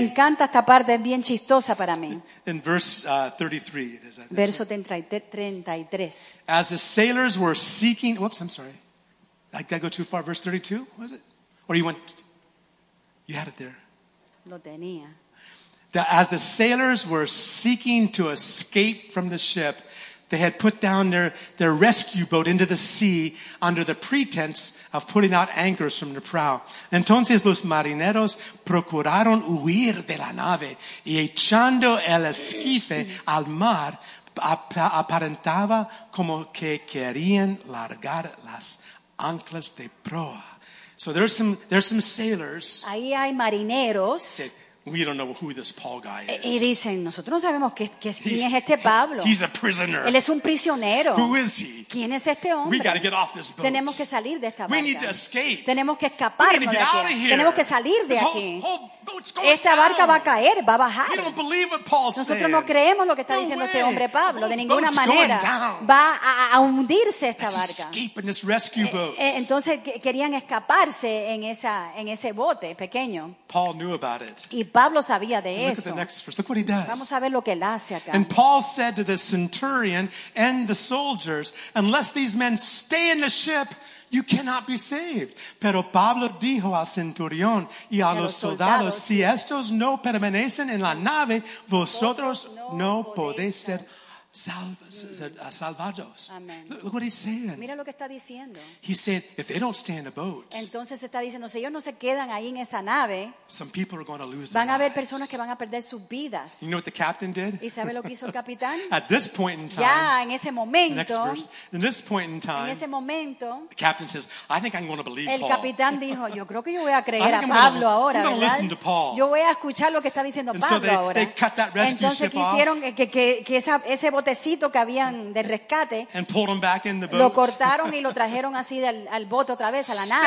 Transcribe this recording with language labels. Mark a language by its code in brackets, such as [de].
[es] Me encanta esta parte, es bien chistosa para mí. [en] In verse 33 it is. [es] Verso 33. [en] As the sailors were seeking, whoops, I'm sorry. Did I go too far? Verse 32, was it? Or you went, you had it there. [es] Lo tenía. [en] As the sailors were seeking to escape from the ship, they had put down their rescue boat into the sea under the pretense of putting out anchors from the prow. [es] Entonces los marineros procuraron huir de la nave y echando el esquife al mar aparentaba como que querían largar las anclas de proa. [en] So there's some sailors. [es] Ahí hay marineros. [en] We don't know who this Paul guy is. [es] Y dicen, nosotros no sabemos quién es este Pablo. [en] He's a prisoner. [es] Él es un prisionero. [en] Who is he? [es] ¿Quién es este hombre? [en] We got to get off this boat. [es] Tenemos que salir de esta barca. [en] We need to escape. [es] Tenemos que escaparnos de aquí. Tenemos que salir de aquí. Esta barca va a caer, va a bajar. [en] We don't believe what Paul's saying. [es] Nosotros no creemos lo que está diciendo este hombre Pablo. De ninguna manera. Va a hundirse esta barca. [en] Let's escape in this rescue boat. [es] Entonces querían escaparse en ese bote pequeño. [en] Paul knew about it. [es] Pablo sabía de eso. [en] Look at the next verse. Look what he does. [es] Vamos a ver lo que él hace acá. [en] And Paul said to the centurion and the soldiers, unless these men stay in the ship, you cannot be saved. [es] Pero Pablo dijo al centurión y a los soldados, si estos no permanecen en la nave, vosotros no podéis ser salvados. [en] Look what he's saying. [es] Mira lo que está diciendo. [en] He said, if they don't stay in the boat, [es] entonces está diciendo, si ellos no se quedan ahí en esa nave, [en] some people are going to lose their [es] Van a haber personas que van a perder sus vidas. [en] You know what the captain did? [es] ¿Y sabe lo que hizo el capitán? [en] At this point in time, [es] ya en ese momento, [en] the next verse, in this point in time, [es] en ese momento, [en] the captain says, I think I'm going to believe [es] el [en] Paul. [es] Capitán dijo, yo creo que yo voy a creer a Pablo ahora, [en] I'm going to listen to Paul. [es] Yo voy a escuchar lo que está diciendo [en] and [es] Pablo [en] so they, [es] ahora. [en] They cut that rescue [es] entonces quisieron [en] off. [es] Que esa, ese botecito que habían de rescate [en] and pulled them back in the boat. [es] Lo cortaron y lo trajeron así del, al bote otra vez, a la nave.